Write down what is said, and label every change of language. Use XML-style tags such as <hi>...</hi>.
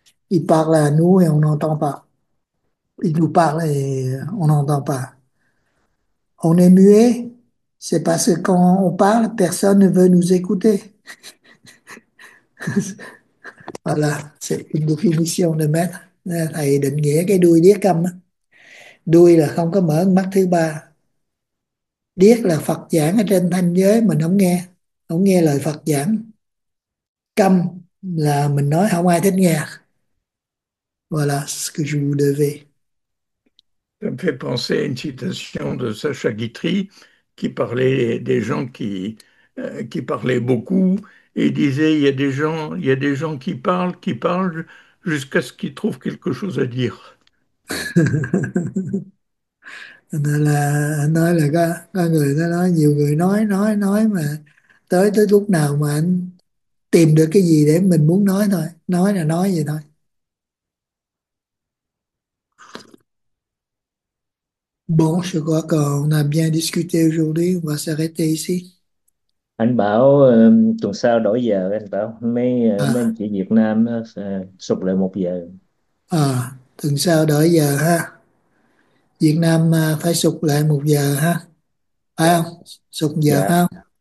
<fr>Il parle à nous et on n'entend pas. Il nous parle et on n'entend pas. On est muet, c'est parce que quand on parle, personne ne veut nous écouter. Voilà, c'est une définition de maître.</fr> <vi>Thầy định nghĩa cái đuôi điếc câm, đuôi là không có mở mắt thứ ba, điếc là Phật giảng ở trên thanh giới mình không nghe lời Phật giảng, câm là mình nói không ai thích nghe.</vi> <fr>Voilà ce que je vous devais. Ça me fait penser à une citation de Sacha Guitry qui parlait des gens qui parlaient beaucoup et disait, il y a des gens qui parlent jusqu'à ce qu'ils trouvent quelque chose à dire.</fr> <vi>Nói là có người nó nói nhiều người nói mà tới tới lúc nào mà anh tìm được cái gì để mình muốn nói thôi, nói là nói vậy thôi.</vi> <fr>Bon, je crois qu'on a bien discuté aujourd'hui, on va s'arrêter ici.</fr> <vi>Anh bảo tuần sau đổi giờ, anh bảo mấy anh chị Việt Nam sụp lại 1 giờ. Tuần sau đổi giờ ha. Việt Nam phải sụt lại 1 giờ ha. Phải không? Sụt giờ phải không?</vi>